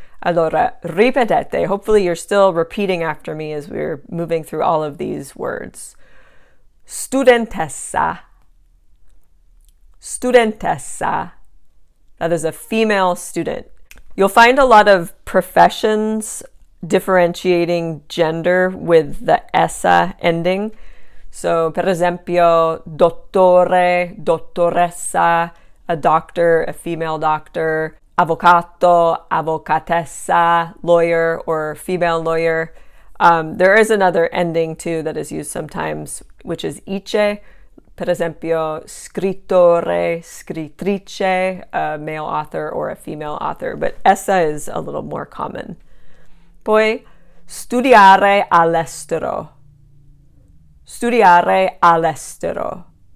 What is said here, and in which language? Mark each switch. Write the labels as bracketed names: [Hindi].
[Italian] Allora, ripetete. [English] Hopefully you're still repeating after me as we're moving through all of these words. [Italian] Studentessa. Studentessa. [English] That is a female student. You'll find a lot of professions differentiating gender with the essa ending. So, [Italian] per esempio, [English] dottore, dottoressa, a doctor, a female doctor, avvocato, avvocatessa, lawyer, or female lawyer. There is another ending too that is used sometimes, which is ice. [Italian] Per esempio, [English] scrittore, scrittrice, a male author or a female author, but essa is a little more common. [Italian] Poi, studiare all'estero. Studiare all'estero.